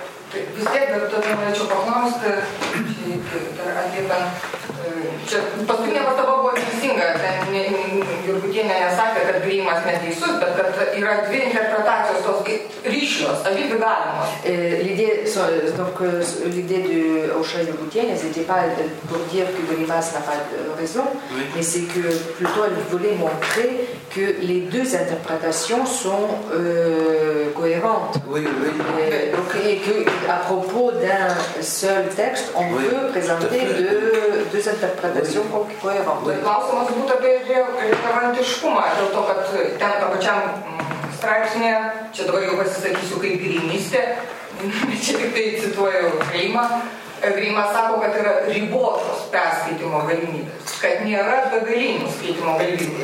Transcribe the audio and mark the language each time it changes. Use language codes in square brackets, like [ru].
[lt] Vis tiek dar tada norėčiau paklausti apie tą... Čia paskutinė patava buvo teisinga, ten Jurgutienė nesakė, kad Greimas neteisus, bet kad yra dvi interpretacijos tos ryšios, abidvi galimos. [fr] L'idée de Aušra Jurgutienė, c'était pas pour dire que Greimas n'a pas raison, mais c'est que plutôt elle voulait montrer que les deux interprétations sont cohérentes. Oui. Et que à propos d'un seul texte, on peut présenter deux interprétations cohérentes. [lt] Klausimas būtų apie relevantiškumą, dėl to, kad ten to pačiam straipsnėje, čia dabar jau pasisakysiu kaip grynystė, čia tik tai cituoju Greimą. Greimas sako, kad yra ribotos perskaitimo galimybės, kad nėra begalinių skaitimo galimybės.